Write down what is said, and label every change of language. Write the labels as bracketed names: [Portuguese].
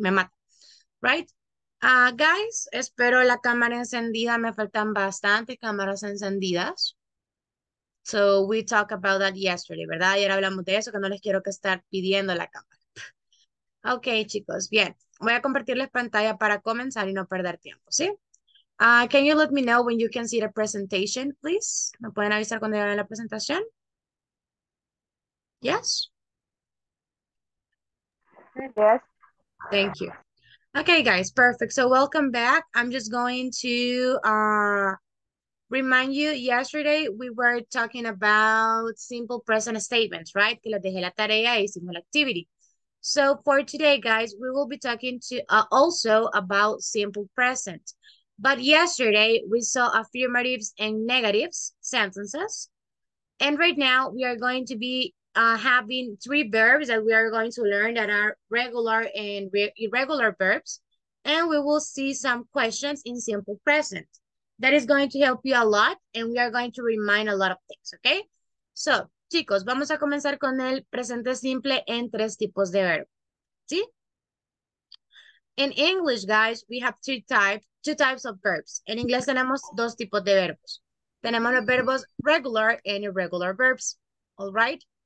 [Spanish] Me mata. [English] Right. Guys, [Spanish] espero la cámara encendida. Me faltan bastantes cámaras encendidas. [English] So we talked about that yesterday, [Spanish] ¿verdad? Ayer hablamos de eso, que no les quiero que estar pidiendo la cámara. Okay, chicos, bien. Voy a compartirles pantalla para comenzar y no perder tiempo, ¿sí? [English] Can you let me know when you can see the presentation, please? [Spanish] ¿Me pueden avisar cuando vean la presentación? [English] Yes. Yes. Thank you. Okay, guys, perfect. So welcome back. I'm just going to remind you, yesterday we were talking about simple present statements, right? [Spanish] Que les dejé la tarea y hicimos la activity. [English] So for today, guys, we will be talking to also about simple present. But yesterday we saw affirmatives and negatives sentences. And right now we are going to be having three verbs that we are going to learn that are regular and re irregular verbs. And we will see some questions in simple present. That is going to help you a lot, and we are going to remind a lot of things, okay? [Spanish] So, chicos, vamos a comenzar con el presente simple en tres tipos de verbo, ¿sí? [English] In English, guys, we have two types of verbs. [Spanish] En inglés tenemos dos tipos de verbos. Tenemos los verbos [English] regular and irregular verbs, all right?